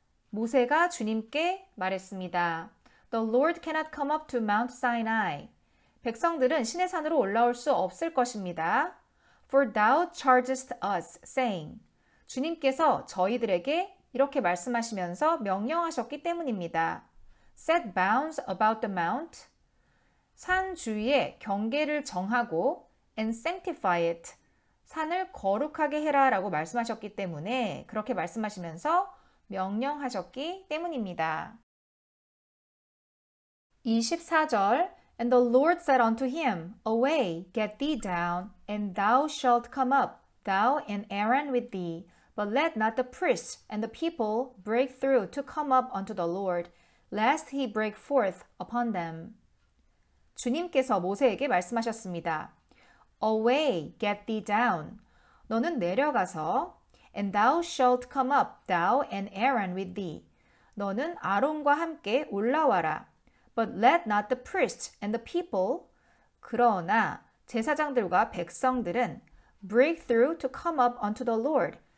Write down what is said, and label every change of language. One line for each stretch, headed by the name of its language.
Korean: 모세가 주님께 말했습니다.
English: The Lord cannot come up to Mount Sinai.
Korean: 백성들은 시내산으로 올라올 수 없을 것입니다.
English: For thou chargest us, saying,
Korean: 주님께서 저희들에게 이렇게 말씀하시면서 명령하셨기 때문입니다.
English: Set bounds about the mount.
Korean: 산 주위에 경계를 정하고
English: and sanctify it,
Korean: 산을 거룩하게 해라 라고 말씀하셨기 때문에 그렇게 말씀하시면서 명령하셨기 때문입니다.
English: 24절 And the Lord said unto him, Away, get thee down, and thou shalt come up, thou and Aaron with thee, but let not the priests and the people break through to come up unto the Lord, lest he break forth upon them.
Korean: 주님께서 모세에게 말씀하셨습니다.
English: Away, get thee down.
Korean: 너는 내려가서
English: And thou shalt come up, thou and Aaron with thee.
Korean: 너는 아론과 함께 올라와라.
English: But let not the priests and the people
Korean: 그러나 제사장들과 백성들은
English: Break through to come up unto the Lord.